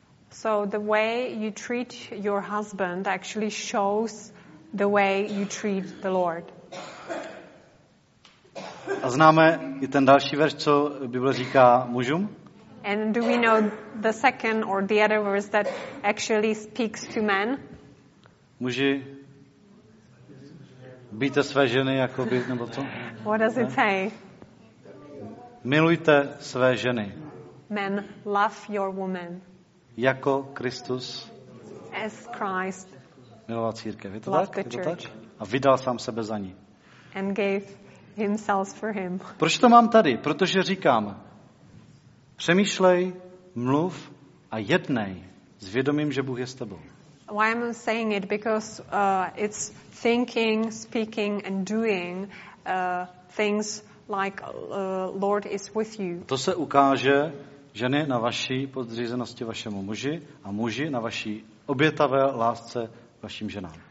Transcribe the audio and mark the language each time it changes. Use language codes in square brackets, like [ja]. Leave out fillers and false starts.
[en] So the way you treat your husband actually shows the way you treat the Lord. [cs] A známe i ten další verš, co Bible říká mužům? [en] And do we know the second or the other verse that actually speaks to men? [cs] Muži, Bíte své ženy jako by nebo co? [en] What does it say? [cs] Milujte své ženy. [en] Men, love your woman. [cs] Jako Kristus. [en] As Christ. [cs] Miloval církev. Je to tak? Je to tak? A vydal sám sebe za ní. [en] And gave himself for him. [cs] Proč to mám tady? Protože říkám, přemýšlej, mluv a jednej s vědomím, že Bůh je s tebou. [en] Why am I saying it? Because it's thinking, speaking and doing things like Lord is with you. [cs] To se ukáže ženy na vaší podřízenosti vašemu muži a muži na vaší obětavé lásce vašim ženám.